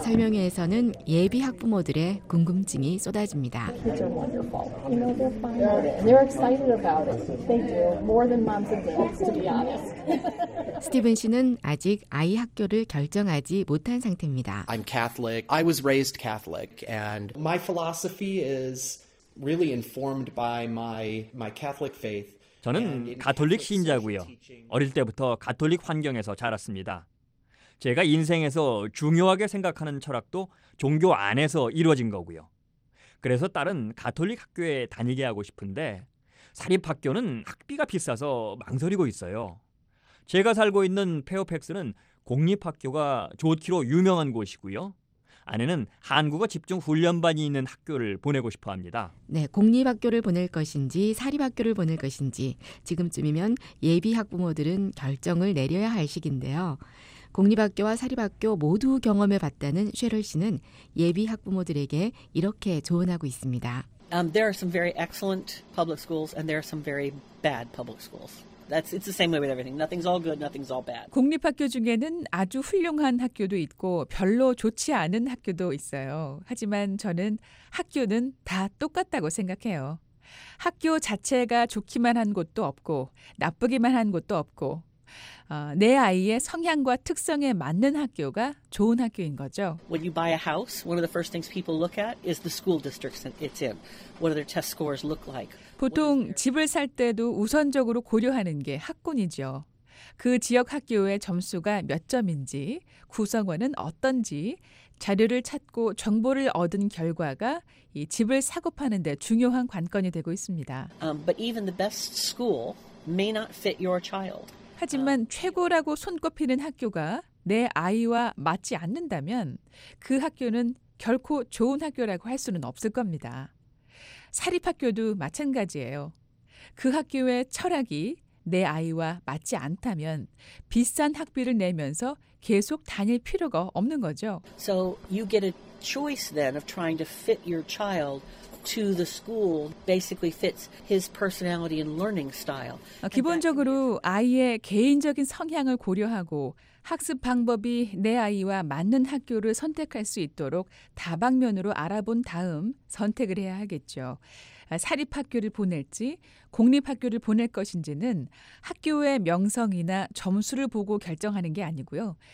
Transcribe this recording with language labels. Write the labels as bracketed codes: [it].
[ko] 설명회에서는 예비 학부모들의 궁금증이 쏟아집니다. [en] They're excited about it. They do more than moms and dads, to be honest. [ko] 스티븐 씨는 아직 아이 학교를 결정하지 못한 상태입니다. [en] I'm Catholic. I was raised Catholic, and my philosophy is really informed by my Catholic faith. [ko] 저는 가톨릭 신자고요. 어릴 때부터 가톨릭 환경에서 자랐습니다. 제가 인생에서 중요하게 생각하는 철학도 종교 안에서 이루어진 거고요. 그래서 딸은 가톨릭 학교에 다니게 하고 싶은데 사립학교는 학비가 비싸서 망설이고 있어요. 제가 살고 있는 페어팩스는 공립학교가 좋기로 유명한 곳이고요. 아내는 한국어 집중 훈련반이 있는 학교를 보내고 싶어 합니다. 네, 공립학교를 보낼 것인지 사립학교를 보낼 것인지 지금쯤이면 예비 학부모들은 결정을 내려야 할 시기인데요. 공립학교와 사립학교 모두 경험해 봤다는 쉐럴 씨는 예비 학부모들에게 이렇게 조언하고 있습니다. [en] There are some very excellent public schools and there are some very bad public schools. It's the same way with everything. Nothing's all good, nothing's all bad. [ko] 공립학교 중에는 아주 훌륭한 학교도 있고 별로 좋지 않은 학교도 있어요. 하지만 저는 학교는 다 똑같다고 생각해요. 학교 자체가 좋기만 한 곳도 없고 나쁘기만 한 곳도 없고 내 아이의 성향과 특성에 맞는 학교가 좋은 학교인 거죠. [en] When you buy a house, one of the first things people look at is the school district it's in. What are their test scores look like? [ko] 보통 집을 살 때도 우선적으로 고려하는 게 학군이죠. 그 지역 학교의 점수가 몇 점인지, 구성원은 어떤지, 자료를 찾고 정보를 얻은 결과가 이 집을 사고 파는 데 중요한 관건이 되고 있습니다. [en] But even the best school may not fit your child. [ko] 하지만 최고라고 손꼽히는 학교가 내 아이와 맞지 않는다면 그 학교는 결코 좋은 학교라고 할 수는 없을 겁니다. 사립학교도 마찬가지예요. 그 학교의 철학이 내 아이와 맞지 않다면 비싼 학비를 내면서 계속 다닐 필요가 없는 거죠. [en] So you get a choice then of trying to fit your child to the school basically fits his personality and learning style. [ko] 기본적으로 아이의 개인적인 성향을 고려하고 학습 방법이 내 아이와 맞는 학교를 선택할 수 있도록 다방면으로 알아본 다음 선택을 해야 하겠죠. 사립학교를 보낼지 공립학교를 보낼 것인지는 학교의 명성이나 점수를 보고 결정하는 게 아니고요.